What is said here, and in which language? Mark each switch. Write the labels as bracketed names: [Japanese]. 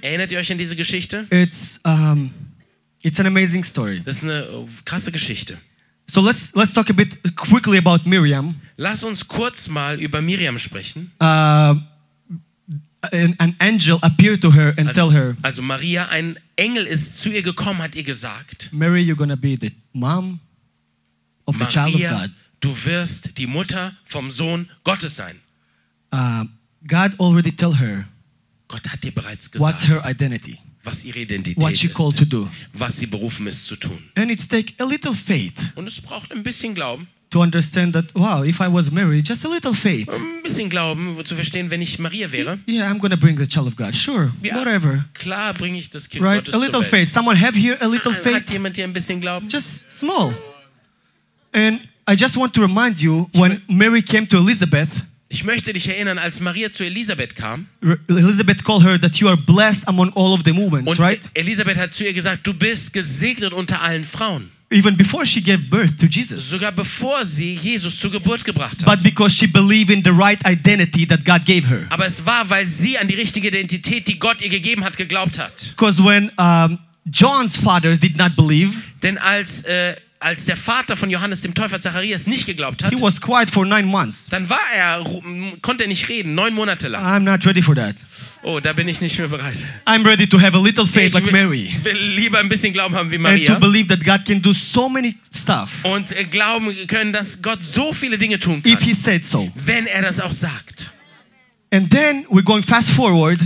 [German] Erinnert ihr euch an diese Geschichte? [English] It's an amazing story. [German] Das ist eine krasse Geschichte. [English] So let's talk a bit quickly about Miriam. [German] Lass uns kurz mal über Miriam sprechen. [English] An angel appeared to her and tell her. [German] Also Maria, ein Engel ist zu ihr gekommen, hat ihr gesagt. [English] Mary, you're gonna be the mom of [German] Maria, [English] the child of God. [German] Du wirst die Mutter vom Sohn Gottes sein. [English] God already tell her. [German] Gott hat dir bereits gesagt. [English] What's her identity? [German] Was ihre Identität [English] what she [German] ist, [English] called to do. [German] Was sie berufen ist zu tun. [English] And it takes a little faith. [German] Und es braucht ein bisschen Glauben. [English] To understand that, wow, if I was Mary, just a little faith. [German] Ein bisschen Glauben, zu verstehen, wenn ich Maria wäre. [English] Yeah, I'm gonna bring the child of God. Sure, [German] ja, [English] whatever. [German] Klar, bringe ich das Kind [English] right? [German] Gottes [English] a little faith. Someone have here a little faith? [German] Hat jemand hier ein bisschen Glauben? [English] Just small. And I just want to remind you, when Mary came to Elizabeth. [German] Ich möchte dich erinnern, als Maria zu Elisabeth kam. [English] Elisabeth called her that you are blessed among all of the women, right? [German] Elisabeth hat zu ihr gesagt, du bist gesegnet unter allen Frauen. [English] Even before she gave birth to Jesus. [German] Sogar bevor sie Jesus zur Geburt gebracht hat. [English] But because she believed in the right identity that God gave her. [German] Aber es war, weil sie an die richtige Identität, die Gott ihr gegeben hat, geglaubt hat. [English] Because when John's father did not believe. [German] Denn als der Vater von Johannes dem Täufer Zacharias nicht geglaubt hat. [English] He was quiet for 9 months. [German] Dann war er, konnte er nicht reden, 9 Monate lang. [English] I'm not ready for that. [German] Oh, da bin ich nicht mehr bereit. [English] I'm ready to have a little faith like Mary. [German] Ich will lieber ein bisschen Glauben haben wie Maria. [English] And to believe that God can do so many stuff. [German] Und glauben können, dass Gott so viele Dinge tun kann. [English] If he said so. [German] Wenn er das auch sagt. [English] And then we're going fast forward.